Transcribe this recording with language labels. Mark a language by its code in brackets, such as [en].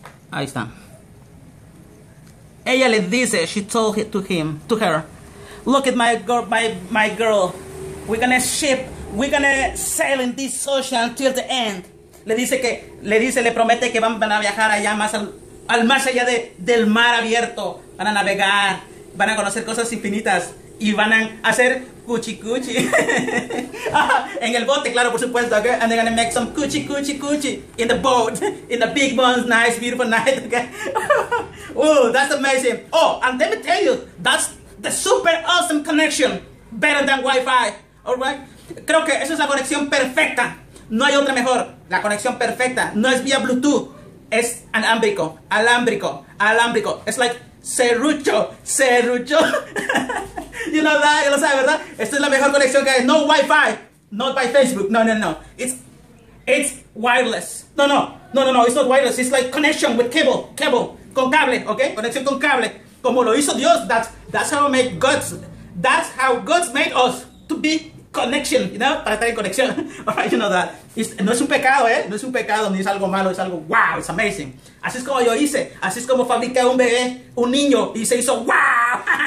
[es] Ahí está. Ella le dice, [en] she told it to him, to her, look at my girl, my girl. We're gonna ship, we're gonna sail in this ocean till the end. [es] Le promete que van a viajar allá más al más allá del mar abierto. Van a navegar, van a conocer cosas infinitas y van a hacer cuchi cuchi. En el bote, claro, por supuesto, okay? [en] And they're gonna make some cuchi cuchi cuchi in the boat, in the big bones, nice, beautiful night, okay? Oh, that's amazing. Oh, and let me tell you, that's the super awesome connection. Better than Wi-Fi, all right? [es] Creo que esa es la conexión perfecta. No hay otra mejor. La conexión perfecta. No es vía Bluetooth. Es alámbrico. Alámbrico. Alámbrico. [en] It's like serrucho. Serrucho. You know that? You [es] lo sabes, ¿verdad? Esta es la mejor conexión que hay. No Wi-Fi. [en] Not by Facebook. [es] No, no, no. [en] It's wireless. No, no. No, no, no. It's not wireless. It's like connection with cable. Cable. [es] Con cable, ¿ok? Conexión con cable. Como lo hizo Dios. [en] That's how God made us to be connection, you know? [es] Para estar en conexión. [en] Alright, you know that. [es] No es un pecado, ¿eh? No es un pecado ni es algo malo. Es algo wow, [en] it's amazing. [es] Así es como yo hice. Así es como fabriqué un bebé, un niño, y se hizo wow.